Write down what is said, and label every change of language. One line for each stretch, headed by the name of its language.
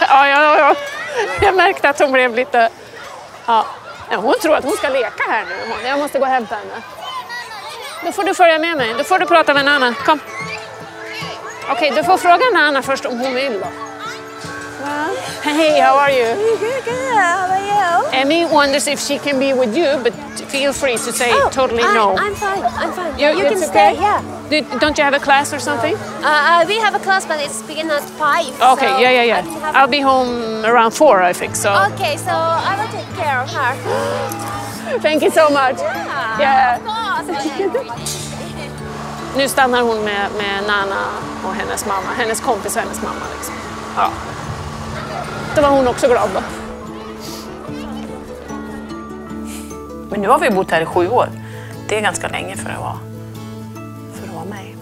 Swedish: Ja. Jag märkte att hon blev lite... Ja, hon tror att hon ska leka här nu. Jag måste gå och hämta henne. Då får du följa med mig. Då får du prata med Nana. Kom. Okej, du får fråga Nana först om hon vill.
English: Hey, how are you? Good, how are you? Emmy wonders if she can be with you, but feel free to say totally no. I'm fine. You can stay, yeah. Don't you have a class or something? We have a class, but it's beginning at 5. Okay, so yeah. I'll be home around 4, I think, so. Okay, so I will take care of her. Thank you so much. Yeah.
Swedish: Nu stannar hon med Nana och hennes mamma, hennes kompis och hennes mamma, liksom. Ja. Då var hon också glad då. Men nu har vi bott här i 7 år. Det är ganska länge för att vara mig.